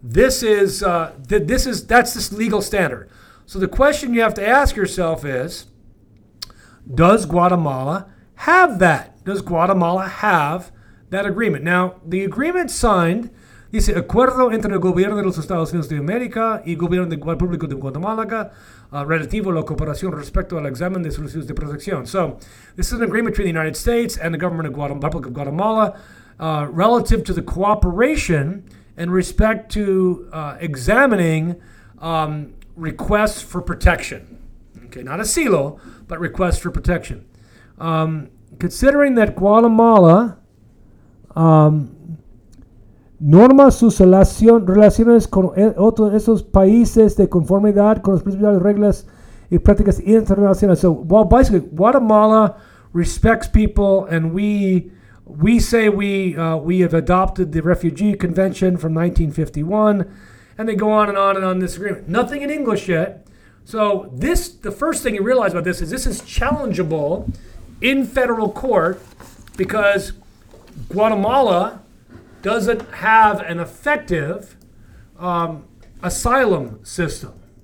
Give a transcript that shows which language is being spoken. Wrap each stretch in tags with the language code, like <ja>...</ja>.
<en>So that's this legal standard. So the question you have to ask yourself is, does Guatemala have that? Does Guatemala have that agreement? Now, the agreement signed,</en> <es>dice, Acuerdo entre el gobierno de los Estados Unidos de América y gobierno de Guatemala de Guatemala relativo a la cooperación respecto al examen de solicitudes de protección.</es> <en>So this is an agreement between the United States and the government of Republic of Guatemala relative to the cooperation in respect to examining requests for protection. Okay, not asilo, but requests for protection. Considering that</en> <es>Guatemala norma sus relaciones con otros esos países de conformidad con las principales reglas y prácticas internacionales.</es> <en>So, well, basically, Guatemala respects people, and we say we have adopted the Refugee Convention from 1951, and they go on and on and on this agreement. Nothing in English yet. So this, the first thing you realize about this is challengeable in federal court because Guatemala doesn't have an effective asylum system.</en>